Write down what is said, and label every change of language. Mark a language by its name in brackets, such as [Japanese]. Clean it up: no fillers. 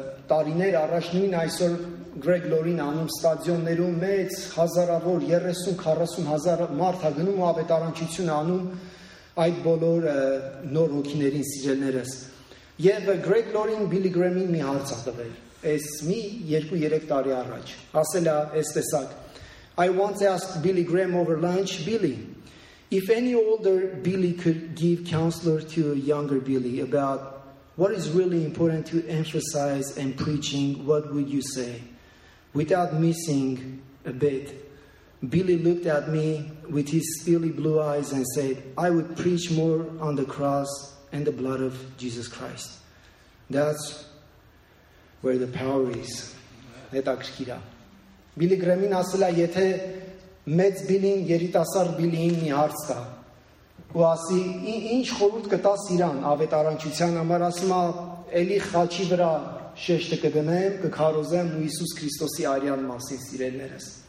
[Armenian] տարիներ առաջ, նույն այսօր Գրեգ Լորին անում ստադիոններում, մեծ հազարավոր 30-40 հազար մարդ է գնում ու ավետարանչություն անում այդ բոլոր նոր հոգիներին, սիրելներս։ Եվ Գրեգ Լորին Բիլի Գրեմին մի հարց է տվել, այս մի 2-3 տարի առաջ, ասել է այս տեսակ. [English] I once asked Billy Graham over lunch, Billy, if any older Billy could give counselor to a younger Billy about what is really important to emphasize and preaching, what would you say? Without missing a bit, Billy looked at me with his steely blue eyes and said, I would preach more on the cross and the blood of Jesus Christ. That's where the power is. [Armenian] Հետաքրքիր է։ Բիլի Գրեմին ասել է, եթե մեծ Բիլին, երիտասարդ Բիլին մի հարց տա, ու ասի, ինչ խորհուրդ կտաս իրան ավետարանչության համար, ասում է, էլի խաչի վրա շեշտը կգնեմ, կքարոզեմ ու Հիսուս Քրիստոսի արյան մասին, սիրելներս։